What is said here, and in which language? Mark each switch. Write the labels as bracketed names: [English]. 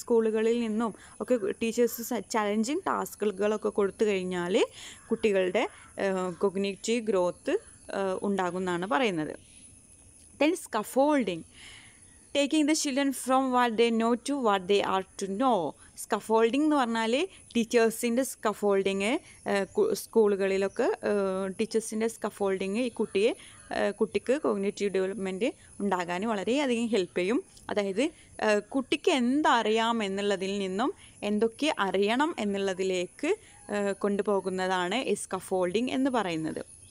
[Malayalam] സ്കൂളുകളിൽ നിന്നും ഒക്കെ ടീച്ചേഴ്സ് ചലഞ്ചിങ് ടാസ്കുകളൊക്കെ കൊടുത്തു കഴിഞ്ഞാൽ കുട്ടികളുടെ കോഗ്നിറ്റീവ് ഗ്രോത്ത് ഉണ്ടാകും എന്നാണ് പറയുന്നത്. [English] Then scaffolding taking the children from what they know to what they are to know. [Malayalam] Scaffolding എന്ന് പറഞ്ഞാൽ ടീച്ചേഴ്സിൻ്റെ സ്കഫോൾഡിങ്, സ്കൂളുകളിലൊക്കെ ടീച്ചേഴ്സിൻ്റെ സ്കഫോൾഡിങ് ഈ കുട്ടിക്ക് കോഗ്നിറ്റീവ് ഡെവലപ്മെൻറ്റ് ഉണ്ടാകാൻ വളരെയധികം ഹെൽപ്പ് ചെയ്യും. അതായത് കുട്ടിക്ക് എന്തറിയാം എന്നുള്ളതിൽ നിന്നും എന്തൊക്കെ അറിയണം എന്നുള്ളതിലേക്ക് കൊണ്ടുപോകുന്നതാണ് ഈ സ്കഫോൾഡിങ് എന്ന് പറയുന്നത്.